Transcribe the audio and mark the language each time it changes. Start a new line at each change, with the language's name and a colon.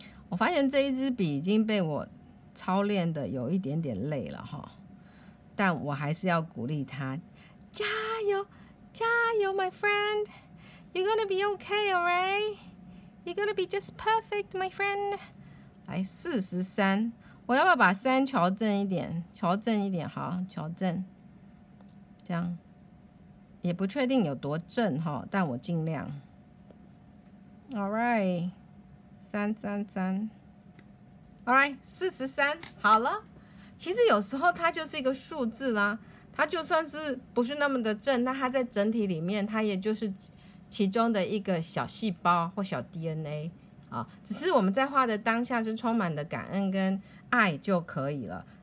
Chinese: 我发现这一支笔已经被我操练的有一点点累了哈，但我还是要鼓励他，加油加油
English: my friend， You're gonna be okay alright， You're gonna be just perfect my friend。
Chinese: 来43，我要不要把3调正一点，调正一点，好，调正这样，也不确定有多正哈，但我尽量。
English: All right， 33，All right， 43，
Chinese: 好了。其实有时候它就是一个数字啦，它就算是不是那么的正，那它在整体里面，它也就是其中的一个小细胞或小 DNA 啊。只是我们在画的当下是充满的感恩跟爱就可以了。